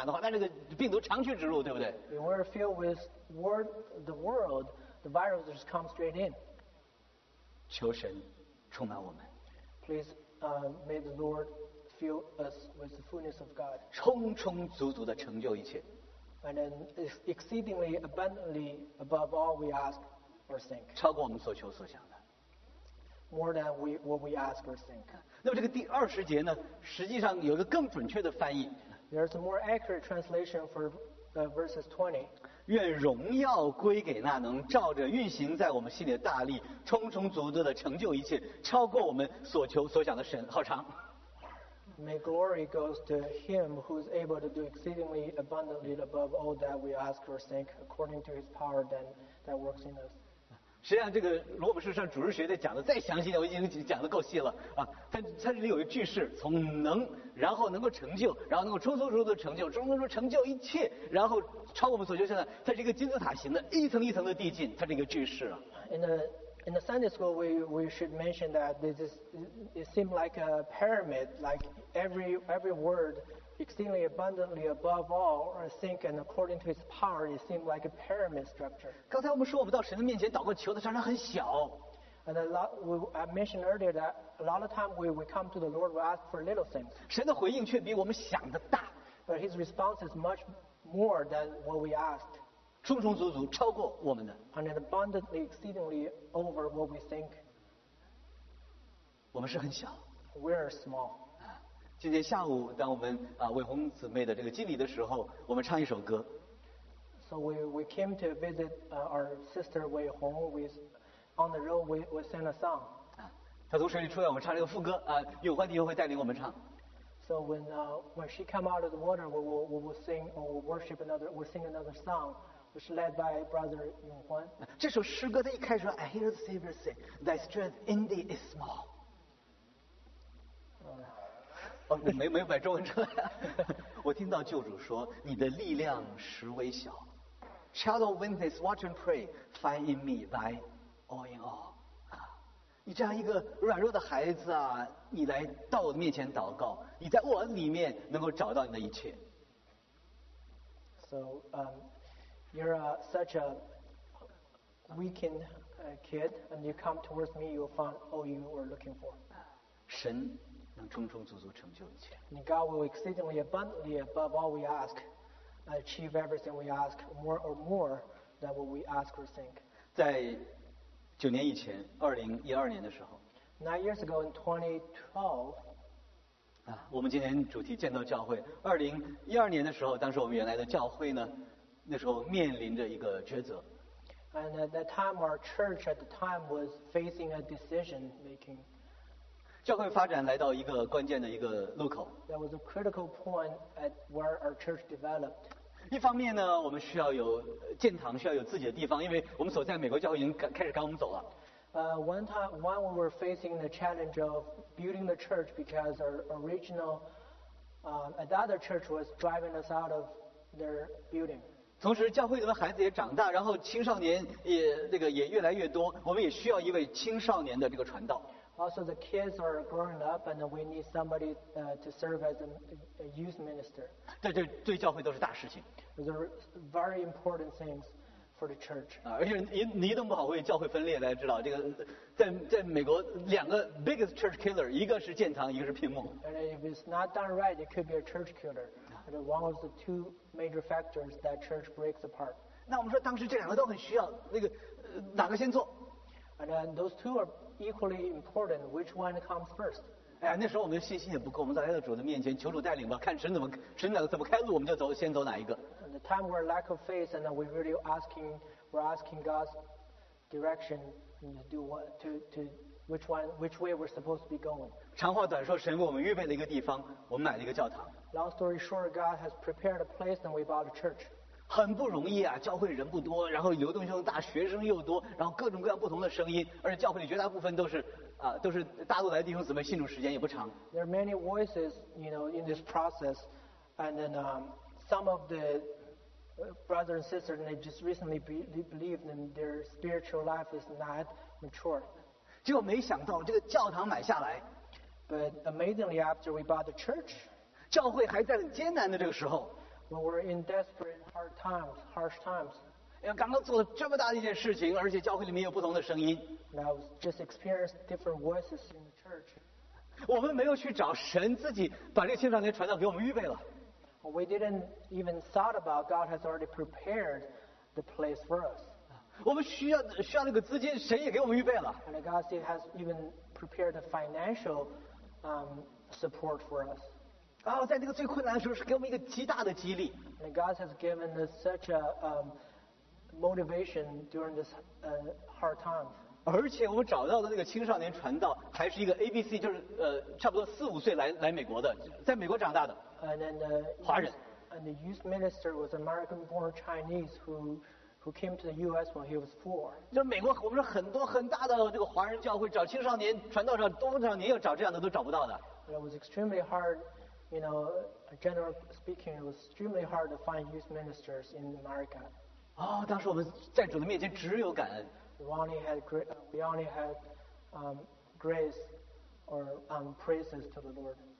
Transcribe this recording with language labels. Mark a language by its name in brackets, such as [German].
[Chinese] 如果要是我们被这些世界的东西的充满的话，那这个病毒长驱直入，对不对？ [English] If we're filled with the world, the virus just comes straight in. [Chinese] 求神充满我们。 [English] Please may the Lord fill us with the fullness of God. [Chinese] 充充足足地成就一切。 [English] And then exceedingly abundantly above all we ask or think. [Chinese] 超过我们所求所想的。 [English] more than we what we ask or think. [Chinese] 那么这个第二十节呢，实际上有一个更准确的翻译。 [English] There's a more accurate translation for verses 20. [Chinese] 愿荣耀归给那能照着运行在我们心里的大力，充充足足的成就一切，超过我们所求所想的神。好长。 [English] May glory goes to him who is able to do exceedingly abundantly above all that we ask or think, according to his power that works in us. [Chinese] 实际上，这个罗姆书上主日学的讲的再详细点，我已经讲的够细了啊。它这里有一个句式，从能，然后能够成就，然后能够充足足的成就，充足足成就一切，然后超我们所求所想。它是一个金字塔形的，一层一层的递进，它是一个句式啊。 [English] In the Sunday school, we should mention that this is it seemed like a pyramid, like every word exceedingly abundantly above all, or I think and according to its power, it seemed like a pyramid structure. [Chinese] 刚才我们说我们到神的面前祷告求的常常很小。 [English] And a lot, I mentioned earlier that a lot of time we come to the Lord, we ask for little things. [Chinese] 神的回应却比我们想的大。 [English] But His response is much more than what we asked. [Chinese] 充充足足超过我们的 [English] and abundantly exceedingly over what we think [Chinese] 我们是很小 [English] we're small [Chinese] 今天下午当我们伟宏姊妹的这个敬礼的时候我们唱一首歌 [English] so we came to visit our sister Wei Hong on the road we sang a song [Chinese] 她从水里出来我们唱这个副歌永欢弟兄会带领我们唱 [English] So when she come out of the water, we will sing or we'll worship another, we'll sing another song, which is led by Brother Yonghuan. [Chinese] 这首诗歌的一开始说 [English] I hear the Savior say, thy strength indeed is small. [Chinese] 没有摆中文出来。我听到救主说，你的力量实微小。 [English] Shallow winds watch and pray, find in me thy all in all. [Chinese] 你这样一个软弱的孩子啊，你来到我面前祷告，你在我里面能够找到你的一切。 [English] So, you're such a weakened kid, and you come towards me, you'll find all you are looking for. [Chinese] 神能充充足足成就一切。 [English] And God will exceedingly abundantly above all we ask, achieve everything we ask, more or more than what we ask or think. [Chinese] 在九年以前，2012年的时候 [English] ，Nine years ago in 2012， [Chinese] 我们今天主题建造教会。2012年的时候，当时我们原来的教会呢，那时候面临着一个抉择。 [English] And at that time, our church at the time was facing a decision making. [Chinese] 教会发展来到一个关键的一个路口。 [English] That was a critical point at where our church developed. [Chinese] 一方面呢，我们需要有建堂，需要有自己的地方，因为我们所在美国教会已经开始赶我们走了。 [English] One time we were facing the challenge of building the church because our original another church was driving us out of their building. [Chinese] 同时，教会的孩子也长大，然后青少年也那、这个也越来越多，我们也需要一位青少年的这个传道。 [English] Also, the kids are growing up, and we need somebody to serve as a youth minister. [Chinese] 对对，对教会都是大事情。 [English] Those are very important things for the church. [Chinese] 而且你弄不好会教会分裂，大家知道这个，在美国两个 [English] biggest church killer， [Chinese] 一个是建堂，一个是屏幕。 [English] And if it's not done right, it could be a church killer. But one of the two major factors that church breaks apart. [Chinese] 那我们说当时这两个都很需要，那个哪个先做 [English] ？And then those two are. Equally important, which one comes first? [Chinese] 哎，那时候我们信心也不够，我们来到主的面前，求主带领吧，看神怎么开路，我们就走，先走哪一个 [English] ？The time we're lack of faith, and we really asking, we're asking God's direction to do what, to which one, which way we're supposed to be going. [Chinese] 长话短说，神为我们预备了一个地方，我们买了一个教堂。 [English] Long story short, God has prepared a place, and we bought a church. [Chinese] 很不容易啊，教会人不多，然后流动性大，学生又多，然后各种各样不同的声音，而且教会里绝大部分都是大陆来的弟兄姊妹，信主时间也不长。 [English] There are many voices, you know, in this process, and then some of the brothers and sisters they just recently believed and their spiritual life is not mature. [Chinese] 结果没想到这个教堂买下来 [English] ，But amazingly after we bought the church, [Chinese] 教会还在很艰难的这个时候。 [English] But we're in desperate, hard times, harsh times. [Chinese] 刚刚做了这么大的一件事情，而且教会里面有不同的声音。 [English] And I was just experienced different voices in the church. [Chinese] 我们没有去找神自己把这个青少年传道给我们预备了。 [English] We didn't even thought about God has already prepared the place for us. [Chinese] 我们需要那个资金，神也给我们预备了。 [English] And God still has even prepared the financial support for us. [Chinese] 啊，在那个最困难的时候，是给我们一个极大的激励。 [English] And God has given us such a motivation during this hard time. [Chinese] 而且我们找到的那个青少年传道，还是一个 ABC， 就是差不多四五岁来美国的，在美国长大的。 [English] And then the [Chinese] 华人。 [English] And the youth minister was American-born Chinese who came to the U.S. when he was four. [Chinese] 就美国，我们说很多很大的这个华人教会找青少年传道上，多少年要找这样的都找不到的。 [English] And it was extremely hard, you know, generally speaking, it was extremely hard to find youth ministers in America. [Chinese] 哦，当时我们在主的面前只有感恩。 [English] We only had grace or praises to the Lord.